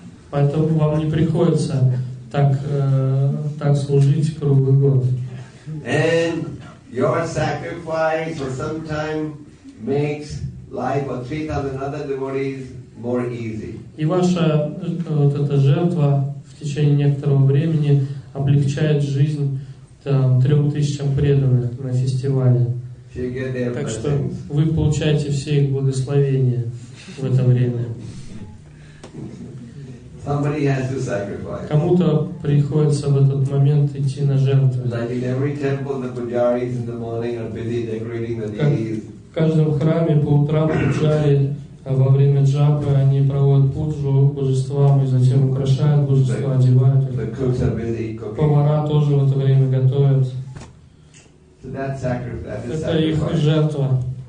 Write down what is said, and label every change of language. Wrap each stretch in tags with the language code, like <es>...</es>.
<ru>Поэтому вам не приходится так служить круглый год.</ru> <en>And your sacrifice for some time makes life of 3,000 other devotees more easy.</en> <ru>И ваша вот эта жертва в течение некоторого времени облегчает жизнь там 3,000 преданных на фестивале. Так что вы получаете все их благословения в это время.</ru> <en>Somebody has to sacrifice.</en> <ru>Кому-то приходится в этот момент идти на жертву.</ru> <en>Like in every temple, the pujaris in the morning are busy decorating the deities.</en> <ru>В каждом храме по утрам пуджари, а во время джапы они проводят пуджу божествам и затем украшают божества, одевают их. Повара тоже в это время готовят. Это их жертва.</ru>